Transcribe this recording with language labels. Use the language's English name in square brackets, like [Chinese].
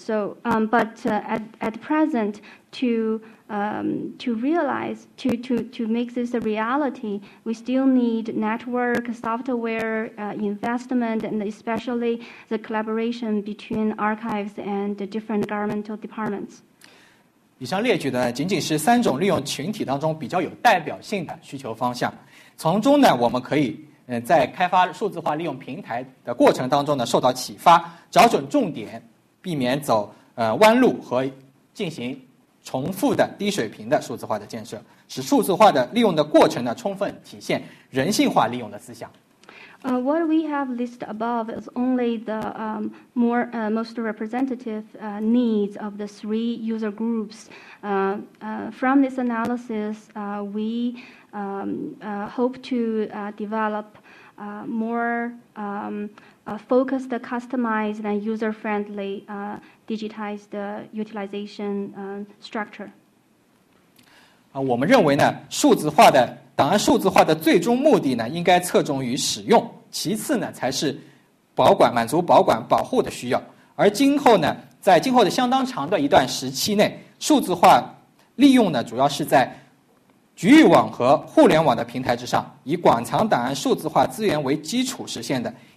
[English] So, but at present, to make this a reality, we still need network, software, investment, and especially the collaboration between archives and the different governmental departments. [Chinese] 以上列举的仅仅是三种利用群体当中比较有代表性的需求方向，从中呢，我们可以在开发数字化利用平台的过程当中呢，受到启发，找准重点，避免走弯路和进行重复的低水平的数字化的建设，使数字化的利用的过程呢，充分体现人性化利用的思想。 [English] What we have listed above is only the most representative needs of the three user groups. From this analysis, we hope to develop more focused, customized, and user-friendly digitized utilization structure. [Chinese] 我们认为呢，数字化的档案数字化的最终目的呢，应该侧重于使用。其次呢，才是保管满足保管保护的需要。而今后呢，在今后的相当长的一段时期内，数字化利用呢，主要是在局域网和互联网的平台之上，以馆藏档案数字化资源为基础实现的。